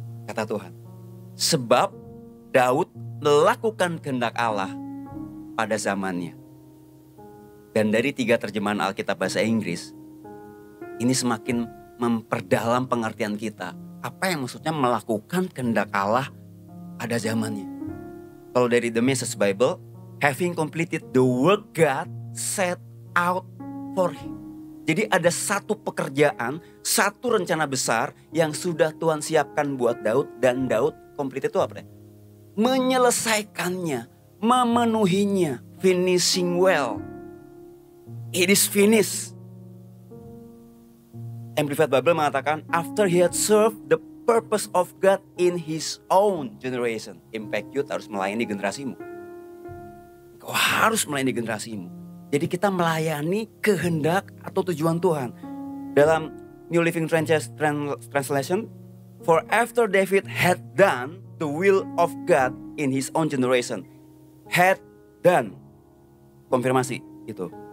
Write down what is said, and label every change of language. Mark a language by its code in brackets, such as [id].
[id] Kata Tuhan, sebab Daud melakukan kehendak Allah pada zamannya. Dan dari 3 terjemahan Alkitab bahasa Inggris, ini semakin memperdalam pengertian kita. Apa yang maksudnya melakukan kehendak Allah pada zamannya? Kalau dari [en] The Message Bible, having completed the work God set out for him. [id] Jadi ada satu pekerjaan, satu rencana besar yang sudah Tuhan siapkan buat Daud. Dan Daud complete itu apa ya? Menyelesaikannya, memenuhinya, [en] finishing well. It is finished. Amplified Bible mengatakan, after he had served the purpose of God in his own generation. [id] Impact you harus melayani generasimu. Kau harus melayani generasimu. Jadi kita melayani kehendak atau tujuan Tuhan. [en] Dalam New Living Translation, for after David had done the will of God in his own generation, had done, [id] konfirmasi itu.